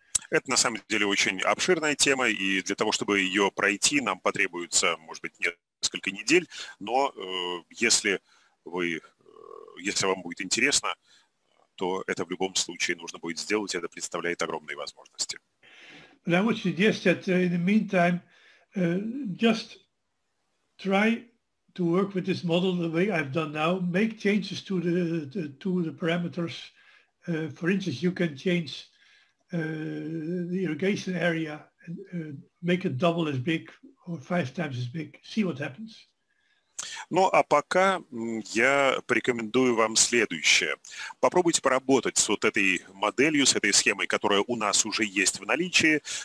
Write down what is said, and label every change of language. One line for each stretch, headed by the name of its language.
Russian: Это на самом деле очень обширная тема, и для того, чтобы ее пройти, нам потребуется, может быть, несколько недель. Но если вам будет интересно, то это в любом случае нужно будет сделать. Это представляет огромные возможности.
English: But I would suggest that in the meantime, just try to work with this model the way I've done now, make changes to the parameters. For instance, you can change the irrigation area and make it double as big or five times as big. See what happens.
Russian: Ну, а пока я порекомендую вам следующее. Попробуйте поработать с вот этой моделью, с этой схемой, которая у нас уже есть в наличии.